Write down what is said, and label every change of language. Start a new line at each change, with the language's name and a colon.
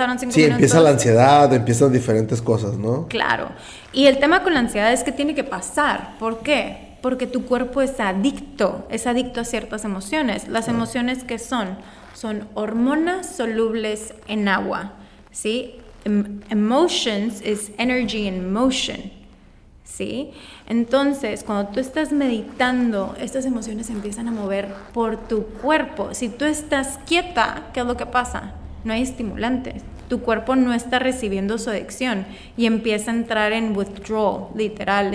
Spanish: Sí, empieza la ansiedad, empiezan diferentes cosas, ¿no? Claro. Y el tema con la ansiedad es que tiene que pasar. ¿Por qué? Porque tu cuerpo es adicto a ciertas emociones. Las emociones, ¿qué son? Son hormonas solubles en agua, ¿sí?
English: Emotions is energy in motion.
Spanish: ¿Sí? Entonces, cuando tú estás meditando, estas emociones se empiezan a mover por tu cuerpo. Si tú estás quieta, ¿qué es lo que pasa? No hay estimulantes. Tu cuerpo no está recibiendo su adicción y empieza a entrar en withdrawal, literal.